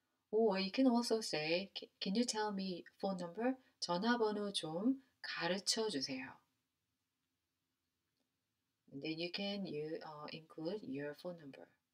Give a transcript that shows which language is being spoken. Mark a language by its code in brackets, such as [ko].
[en] Or you can also say, can you tell me phone number? [ko] 전화번호 좀 가르쳐 주세요. [en] And then you can include your phone number.